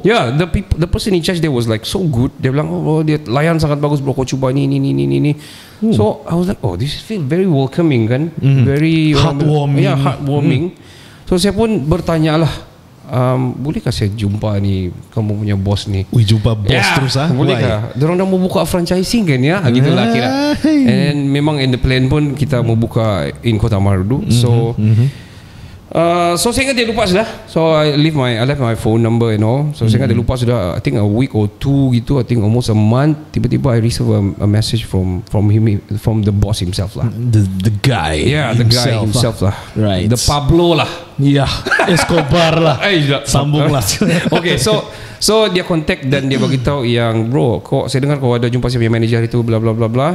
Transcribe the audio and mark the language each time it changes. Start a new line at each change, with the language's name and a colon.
English: ya, yeah, the person in charge there was like so good.
Malay: Dia bilang, dia layan sangat bagus bro, kau cuba ni.
English: So I was like, this feel very welcoming kan. Very heartwarming. Yeah, heartwarming.
Malay: So saya pun bertanya lah, bolehkah saya jumpa ni kamu punya bos ni? Wih, jumpa bos terus ah. Bolehkah? Diorang dah mau buka franchising kan ya? Gitulah kira. And memang
English: in the plan
Malay: pun kita mau buka in Kota Marudu. So saya ingat dia lupa sudah.
English: So I left my phone number and all.
Malay: So saya ingat dia lupa sudah.
English: I think a week or two gitu. I think almost a month. Tiba-tiba I receive a message from the boss himself lah. The guy. Yeah, the himself, guy himself lah. Right. The Pablo lah.
Malay: Yeah. Escobar lah. Sambung lah.
English: Okay.
Malay: So dia contact dan dia beritahu yang bro, kok saya dengar kau ada jumpa siapa manager itu bla bla bla bla.